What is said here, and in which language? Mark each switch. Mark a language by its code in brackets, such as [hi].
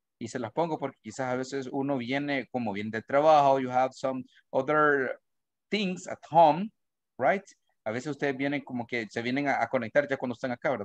[es] Y se las pongo porque quizás a veces uno viene como bien de trabajo. [en] You have some other things at home, right? [es] A veces ustedes vienen como que se vienen a conectar ya cuando están acá, ¿verdad?